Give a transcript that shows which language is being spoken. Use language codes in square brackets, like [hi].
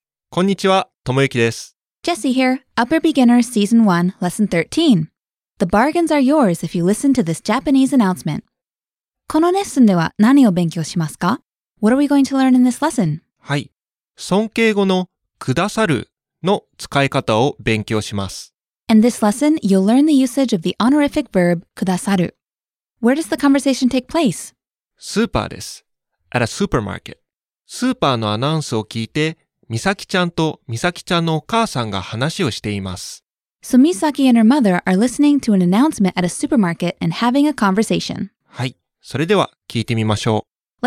[ja] こんにちは、ともゆきです。 [en] Jesse here, Upper Beginner Season 1, Lesson 13. The bargains are yours if you listen to this Japanese announcement. [ja] このレッスンでは何を勉強しますか? [en] What are we going to learn in this lesson? [ja] はい、尊敬語のくださるの使い方を勉強します。 [en] In this lesson, you'll learn the usage of the honorific verb くださる. Where does the conversation take place? [ja] スーパーです。 [en] At a supermarket. [ja] スーパーのアナウンスを聞いて、みさきちゃんとみさきちゃんのお母さんが話をしています。 [en] So Misaki and her mother are listening to an announcement at a supermarket and having a conversation. [ja] はい、それでは聞いてみましょう。